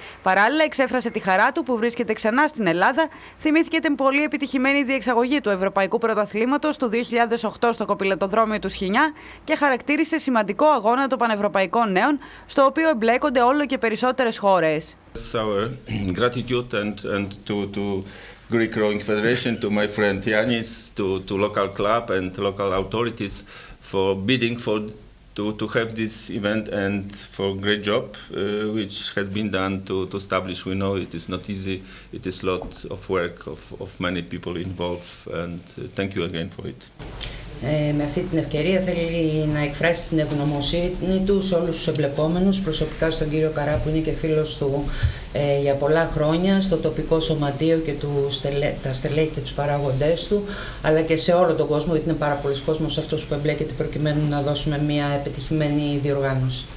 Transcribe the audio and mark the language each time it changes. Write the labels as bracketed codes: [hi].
[el] Παράλληλα, εξέφρασε τη χαρά του που βρίσκεται ξανά στην Ελλάδα, θυμήθηκε την πολύ επιτυχημένη διεξαγωγή του Ευρωπαϊκού Πρωταθλήματος το 2008 στο κοπηλατοδρόμιο του Σχοινιά και χαρακτήρισε σημαντικό αγώνα των πανευρωπαϊκών νέων, στο οποίο εμπλέκονται όλο και περισσότερες χώρες. [en] Greek Rowing Federation, to my friend Yannis, to local club and local authorities for bidding for to have this event and for great job which has been done to establish. We know it is not easy, it is a lot of work of many people involved, and thank you again for it. [el] Με αυτή την ευκαιρία θέλει να εκφράσει την ευγνωμοσύνη του σε όλους τους εμπλεκόμενους, προσωπικά στον κύριο Καρά που είναι και φίλος του για πολλά χρόνια, στο τοπικό σωματείο και τα στελέχη και τους παράγοντές του, αλλά και σε όλο τον κόσμο, γιατί είναι πάρα πολλοί κόσμος αυτός που εμπλέκεται προκειμένου να δώσουμε μια επιτυχημένη διοργάνωση.